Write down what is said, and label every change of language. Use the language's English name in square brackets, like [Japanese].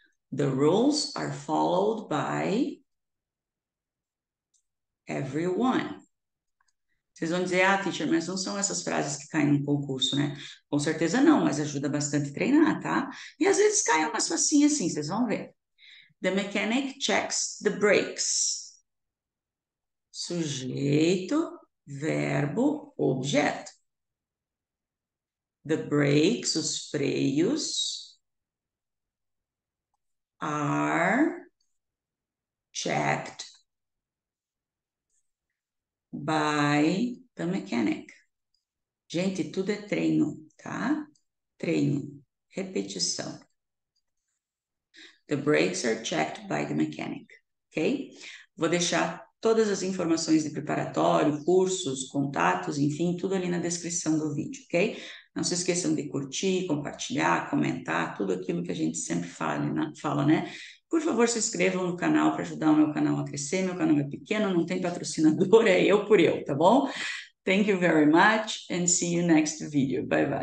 [English] The rules are followed by everyone. [Portuguese] Vocês vão dizer, ah, teacher, mas não são essas frases que caem no concurso, né? Com certeza não, mas ajuda bastante treinar, tá? E às vezes caem umas facinhas assim, vocês vão ver. [English] The mechanic checks the brakes. Sujeito, verbo, objeto. The brakes, [Portuguese] os freios, [English] are checked by the mechanic. [Portuguese] Gente, tudo é treino, tá? Treino, repetição. [English] The brakes are checked by the mechanic, ok? [Portuguese] Vou deixar todas as informações de preparatório, cursos, contatos, enfim, tudo ali na descrição do vídeo, ok? Não se esqueçam de curtir, compartilhar, comentar, tudo aquilo que a gente sempre fala, né? Por favor, se inscrevam no canal para ajudar o meu canal a crescer. Meu canal é pequeno, não tem patrocinador, é eu por eu, tá bom? [English] Thank you very much and see you next video. Bye bye.